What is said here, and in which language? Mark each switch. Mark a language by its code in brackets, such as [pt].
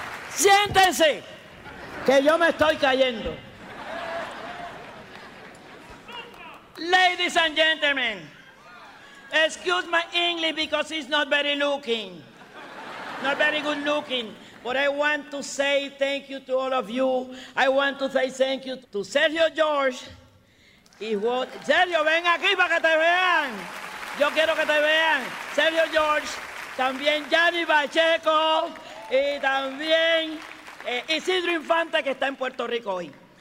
[es] Siéntense que yo me estoy cayendo. [en] Ladies and gentlemen, excuse my English because it's not very looking, not very good looking, but I want to say thank you to all of you. I want to say thank you to Sergio George. [es] Sergio, ven aquí para que te vean. Yo quiero que te vean. Sergio George, también Gianni Pacheco y también Isidro Infante que está en Puerto Rico hoy.